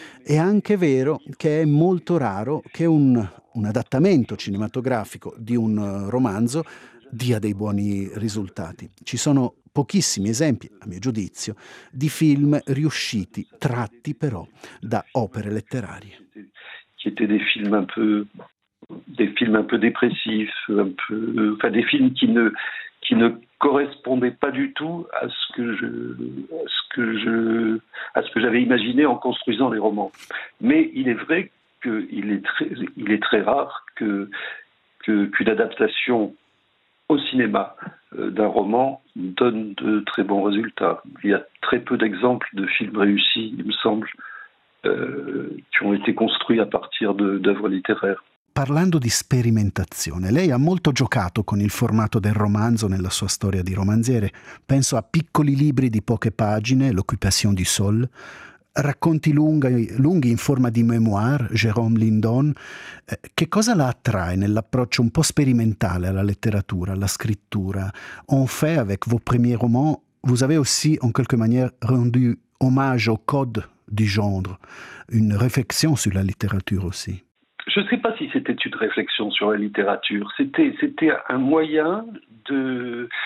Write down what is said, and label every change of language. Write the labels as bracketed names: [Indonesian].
[Italian] È anche vero che è molto raro che un adattamento cinematografico di un romanzo dia dei buoni risultati. Ci sono pochissimi esempi, a mio giudizio, di film riusciti, tratti però da opere letterarie. [French] Qui étaient des films un peu dépressifs, des films qui ne correspondaient pas du tout à ce que j'avais imaginé en construisant les romans. Mais il est vrai que il est très rare qu'une adaptation au cinéma d'un roman donne de très bons résultats. Il y a très peu d'exemples de films réussis, il me semble, qui ont été construits à partir d'œuvres littéraires. [Italian] Parlando di sperimentazione, lei ha molto giocato con il formato del romanzo nella sua storia di romanziere. Penso a piccoli libri di poche pagine, L'Occupation du Sol, racconti lunghi in forma di memoir, Jérôme Lindon. Che cosa la attrae nell'approccio un po' sperimentale alla letteratura, alla scrittura? [French] En fait, avec vos premiers romans, vous avez aussi, en quelque manière, rendu hommage au code du genre. Une réflexion sur la littérature aussi. Je ne sais pas si c'était une réflexion sur la littérature. C'était un moyen de...